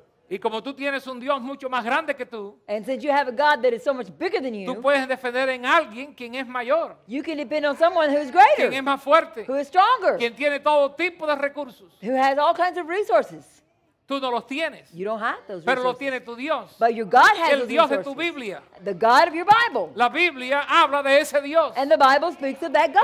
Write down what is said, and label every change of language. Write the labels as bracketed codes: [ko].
[es] Y como tú tienes un Dios mucho más grande que tú, [en] and since you have a God that is so much bigger than you, [es] tú puedes defender en alguien quien es mayor, [en] you can depend on someone who is greater, [es] quien es más fuerte, [en] who is stronger, [es] quien tiene todo tipo de recursos, [en] who has all kinds of resources. [es] Tú no los tienes, [en] you don't have those resources, [es] pero lo tiene tu Dios, [en] but your God has [es] el Dios [en] resources, [es] de tu Biblia, [en] the God of your Bible. [es] La Biblia habla de ese Dios, [en] and the Bible speaks of that God,